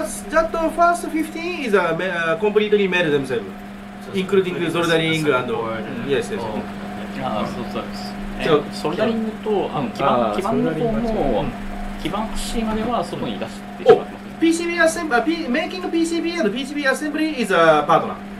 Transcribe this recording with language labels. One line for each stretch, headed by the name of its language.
English: That first 15 is completely made themselves, including soldering and yes.
Japanese: ああ、そうそうです。じゃあソルダリングと基板の方も基板端までは外に出してしまいます。
English: PCB assembly, making PCB and PCB assembly is a partner.